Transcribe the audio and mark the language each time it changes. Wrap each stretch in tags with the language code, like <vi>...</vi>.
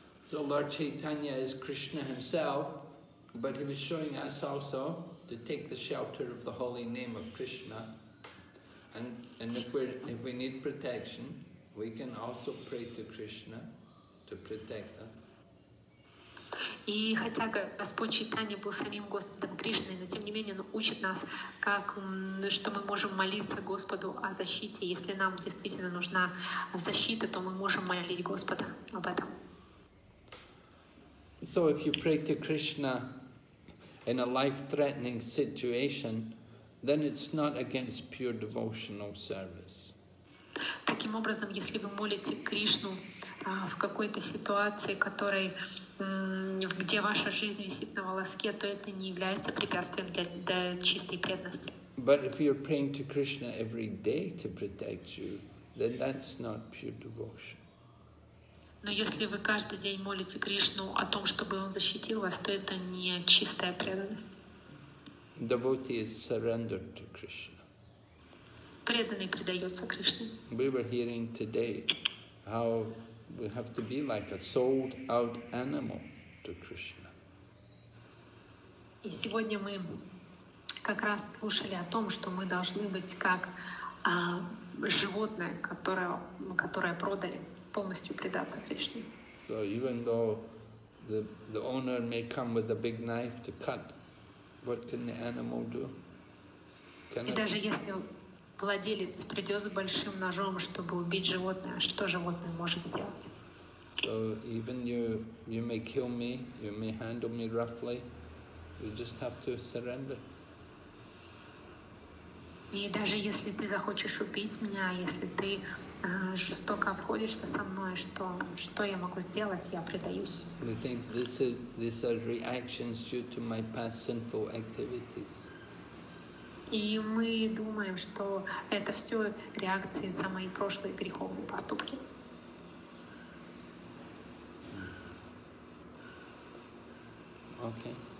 <en>So Lord Chaitanya is Krishna himself, but he was showing us also to take the shelter of the holy name of Krishna, and if we need protection, we can also pray to Krishna to protect us.</en> <ru>И хотя Господь Чайтанья был самим Господом Кришной, но тем не менее Он учит нас, как, что мы можем молиться Господу о защите. Если нам действительно нужна защита, то мы можем молить Господа об этом.</ru> <en>So if you pray to Krishna in a life-threatening situation, then it's not against pure devotional service.</en> <ru>Таким образом, если вы молите Кришну в какой-то ситуации, которой где ваша жизнь висит на волоске, то это не является препятствием для чистой преданности.</ru> <en>But if you're praying to Krishna every day to protect you, then that's not pure devotion.</en> <ru>Но если вы каждый день молите Кришну о том, чтобы он защитил вас, то это не чистая преданность.</ru> <en>Devotee is surrendered to Krishna.</en> <ru>Преданный предается Кришне.</ru> <en>We were hearing today how we have to be like a sold out animal to Krishna.</en> <ru>И сегодня мы как раз слушали о том, что мы должны быть как животное, которое продали, полностью предаться Кришне.</ru> <en>So even though the owner may come with a big knife to cut, what can the animal do?</en> <ru>И даже если владелец придёт с большим ножом, чтобы убить животное, что животное может сделать?</ru> <en>So even you may kill me, you may handle me roughly, you just have to surrender.</en> <ru>И даже если ты захочешь убить меня, если ты жестоко обходишься со мной, что я могу сделать? Я предаюсь.</ru> <en>You think these are reactions due to my past sinful activities.</en> <ru>И мы думаем, что это все реакции за мои прошлые греховные поступки.</ru> <en>Okay.</en>